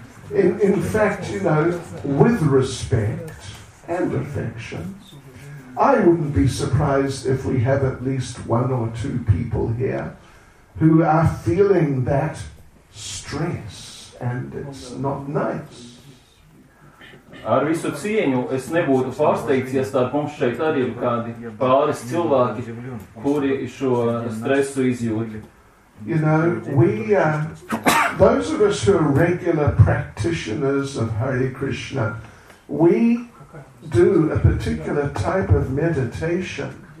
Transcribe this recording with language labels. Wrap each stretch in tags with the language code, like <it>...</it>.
<en>In fact, you know, with respect and affection, I wouldn't be surprised if we have at least one or two people here who are feeling that stress and it's not nice.</en> <lv>Ar visu cieņu es nebūtu pārsteigts, ja starp mums šeit arī ir kādi pāris cilvēki, kuri šo stresu izjūt.</lv> <en>You know, we those of us who are regular practitioners of Hare Krishna, we do a particular type of meditation</en>